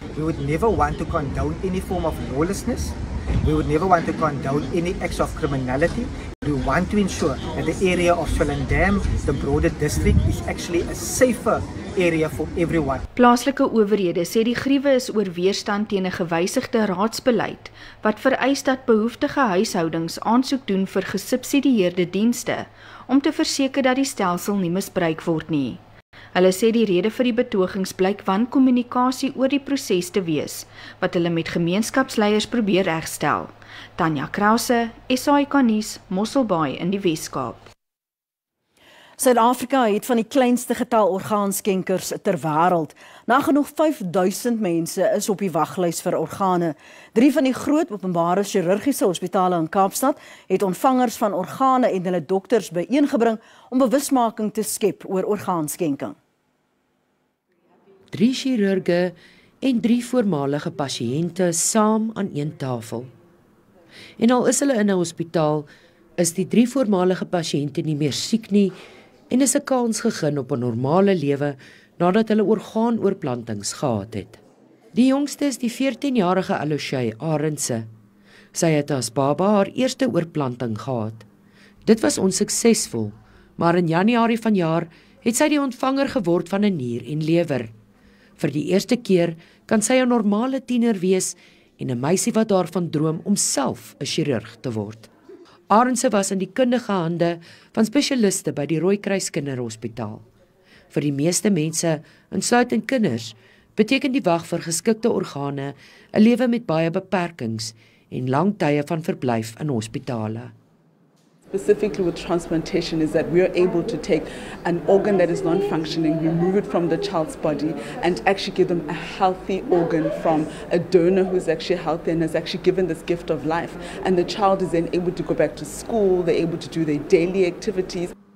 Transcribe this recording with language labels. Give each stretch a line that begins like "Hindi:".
English: We would never want to condone any form of lawlessness. We would never want to condone any acts of criminality. We want to ensure that the area of Swellendam, the broader district, is actually a safer area for everyone.
Afrikaans: Plaaslike owerhede sê die griewe is oor weerstand teen 'n gewysigde raadsbeleid wat vereis dat behoeftige huishoudings aansoek doen vir gesubsidieerde dienste om te verseker dat die stelsel nie misbruik word nie. Hulle sê die rede vir die betogings blyk wankommunikasie oor die proses te wees wat hulle met gemeenskapsleiers probeer regstel. Tanya Krause, SAK nuus, Mosselbaai in die Weskaap. Suid-Afrika het van die kleinste getal orgaanskenkers ter wêreld. Nagenoeg 5000 mense is op die waglys vir organe. Drie van die groot openbare chirurgiese hospitale in Kaapstad het ontvangers van organe en hulle dokters bijeengebring om bewusmaking te skep oor orgaanskenking. Drie chirurge en drie voormalige pasiënte saam aan een tafel. En al is hulle in 'n hospitaal, is die drie voormalige pasiënte nie meer siek nie en is 'n kans gegeen op 'n normale lewe nadat hulle orgaanoorplantings gehad het. Die jongste is die 14-jarige Aloshay Arendse. Sy het as baba haar eerste oorplanting gehad. Dit was onsuksesvol, maar in Januarie vanjaar het sy die ontvanger geword van 'n nier en lewer. Vir die eerste keer kan sy 'n normale tiener wees en 'n meisie wat daarvan droom om self 'n chirurg te word. Arendse was in die kundige hande van spesialiste by die Rooikruis Kinderhospitaal. Vir die meeste mense, insluitend kinders, beteken die wag vir geskikte organe 'n lewe met baie beperkings en lang tye van verblyf in hospitale.
English: Specifically with transplantation is that we are able to take an organ that is non-functioning, remove it from the child's body and actually give them a healthy organ from a donor who is actually healthy and has actually given this gift of life. And the child is then able to go back to school, they're able to do their daily activities.